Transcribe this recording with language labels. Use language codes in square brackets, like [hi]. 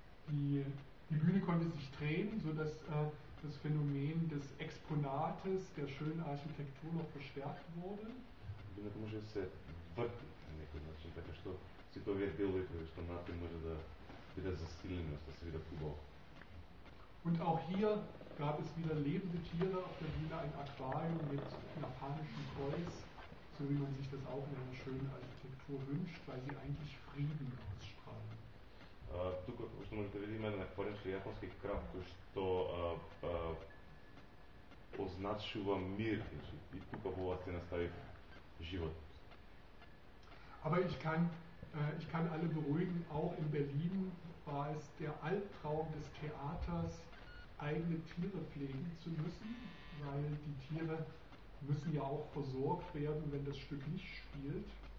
[de] Die Bühne konnte sich drehen, so dass das Phänomen des Exponates der schönen Architektur noch verstärkt wurde. [mk] Бидејќи може се врти на некој начин, така што сите овие делови кои што нати може да биде засилени, да се видат убаво. [de] Und auch hier gab es wieder lebende Tiere, auf der Bühne ein Aquarium mit japanischen Kois, so wie man sich das auch in einer schönen Architektur wünscht, weil sie eigentlich Frieden ausstrahlen. [mk] Тука, што можете да видиме, еден аквариум со јапонски краб, кој што означува мир, и тука во ова сцена стави живот. [de] Aber ich kann alle beruhigen, auch in Berlin war es der Albtraum des Theaters, eigene Tiere pflegen zu müssen, weil die Tiere müssen ja auch versorgt werden, wenn das Stück nicht spielt.